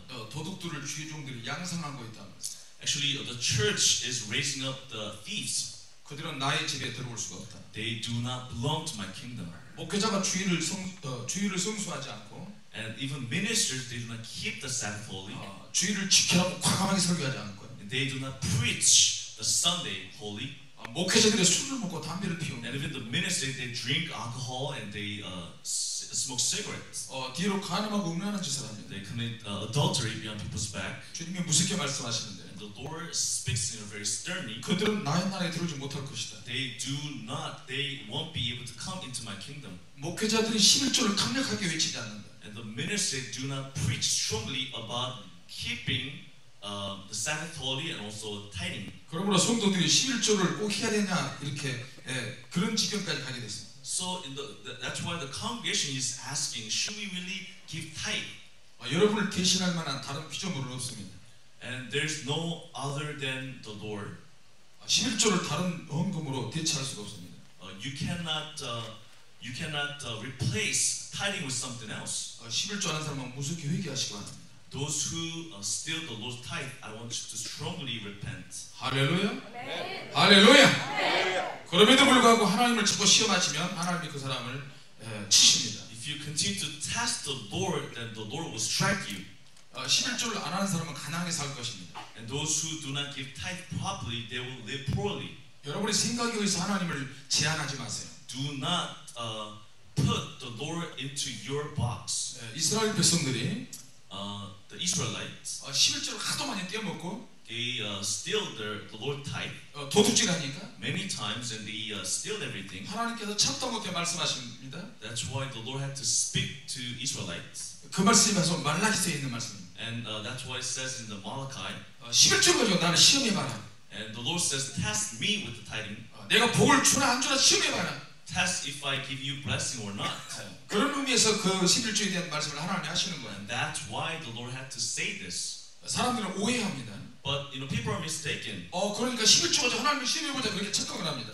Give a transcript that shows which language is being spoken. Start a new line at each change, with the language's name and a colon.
Korean: 도둑들을 죄종들이 양성하고 있다는 것
English: Actually the church is raising up the thieves
Korean: 그들은 나의 집에 들어올 수가 없다.
English: They do not belong to my kingdom
Korean: 목회자가 주일을 성수하지 않고
English: And even ministers, they do not keep the Sabbath holy.
Korean: 주일을 지켜라고 과감하게 설교하지 않을 거예요.
English: They do not preach the Sunday holy.
Korean: 목회자들이 술을 먹고 담배를 피우고.
English: And even the ministers, they drink alcohol and they smoke cigarettes.
Korean: 뒤로 간음하고 음란한 짓을 합니다.
English: They commit adultery behind people's back.
Korean: 주님이 무섭게 말씀하시는데.
English: And the Lord speaks in a very sternly.
Korean: 그들은 나의 나라에 들어오지 못할 것이다.
English: They won't be able to come into my kingdom.
Korean: 목회자들이 십일조를 강력하게 외치지 않는다.
English: And the ministers do not preach strongly about keeping the Sabbath holy and also tithing.
Korean: 그러므로 성도들이 십일조를 꼭 해야 되냐 이렇게 그런 지경까지 가게 됐어요.
English: So in that's why the congregation is asking, should we really give tithe?
Korean: 여러분을 대신할 만한 다른 피조물은 없습니다.
English: And there's no other than the Lord.
Korean: 십일조를 다른 헌금으로 대체할 수가 없습니다.
English: You cannot replace tithing with something else.
Korean: 십일조 하는 사람은 무섭게 회개하시기 바랍니다.
English: Those who steal the Lord's tithe, I want you to strongly repent.
Korean: 할렐루야. 아멘. 할렐루야. 아멘. 그럼에도 불구하고 하나님을 자꾸 시험하시면 하나님이 그 사람을 치십니다.
English: If you continue to test the Lord, then the Lord will strike you.
Korean: 십일조를 안 하는 사람은 가난하게 살 것입니다.
English: And those who do not give tithe properly, they will live poorly.
Korean: 여러분의 생각에 의해서 하나님을 제한하지 마세요.
English: Do not put the Lord into your box.
Korean: 이스라엘 백성들이
English: the Israelites
Korean: 11절을 하도 많이 떼어먹고
English: They steal the Lord's tithe.
Korean: 도둑질하니까.
English: Many times and they steal everything.
Korean: 하나님께서 찾던 것들 말씀하십니다.
English: That's why the Lord had to speak to Israelites.
Korean: 그 말씀에서 말라기스에 있는 말씀.
English: And that's why it says in the Malachi.
Korean: 11절 가지고 나는 시험해봐라.
English: And the Lord says, test me with the tithing.
Korean: 내가 복을 주나 안 주나 시험해봐라.
English: Test if I give you blessing or not.
Korean: 그런 의미에서 그 십일조에 대한 말씀을 하나님이 하시는 거예요.
English: And that's why the Lord had to say this.
Korean: 사람들은 오해합니다.
English: But you know, people are mistaken.
Korean: 그러니까 십일조가 하나님을 시험해보자 그렇게 착각을 합니다.